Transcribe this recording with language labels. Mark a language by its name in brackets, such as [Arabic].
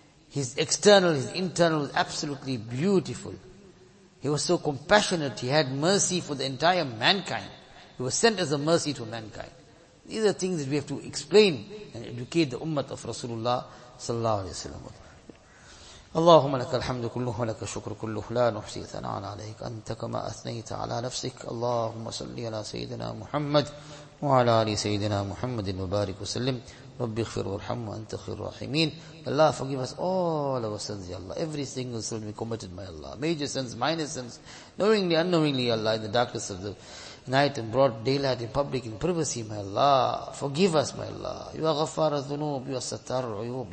[English] His external, his internal was absolutely beautiful. He was so compassionate. He had mercy for the entire mankind. He was sent as a mercy to mankind. These are things that we have to explain and educate the ummah of Rasulullah sallallahu alaihi wasallam. [Arabic] اللهم لك الحمد كله ولك الشكر كله لا نحصي ثناء عليك أنت كما أثنيت على نفسك اللهم صل على سيدنا محمد وعلى آل سيدنا محمد المبارك وسلم رب اغفر وارحم وأنت خير الراحمين. [English] Allah forgive us all our sins, Ya Allah. Every single sin we committed, my Allah. Major sins, minor sins, knowingly, unknowingly, Ya Allah. In the darkness of the night, in broad daylight, in public, in privacy, my Allah. Forgive us, my Allah. You are [Arabic] غفار الذنوب, [English] you are [Arabic] ستار العيوب.